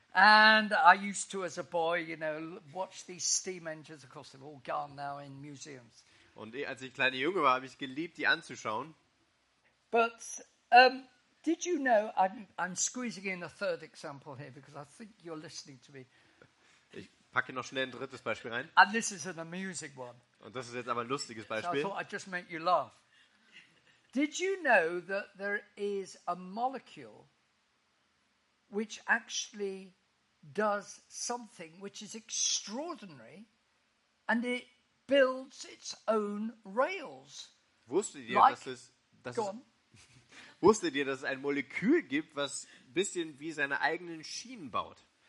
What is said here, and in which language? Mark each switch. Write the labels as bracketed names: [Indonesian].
[English] And I used to, as a boy, you know, watch these steam engines. Of course, they're all gone now in museums. [German] Und als ich kleiner Junge war, habe ich geliebt, die anzuschauen. [English] But did you know? I'm squeezing in a third example here because I think you're listening to me. [German] Packe noch schnell ein drittes Beispiel rein. [English] And this is an amusing one. [German] Und das ist jetzt aber ein lustiges Beispiel. [English] So I thought I'd just make you laugh. Did you know that there is a molecule which actually does something which is extraordinary and it builds its own rails? [German] Wusstet ihr, dass es ein Molekül gibt, was ein bisschen wie seine eigenen Schienen baut?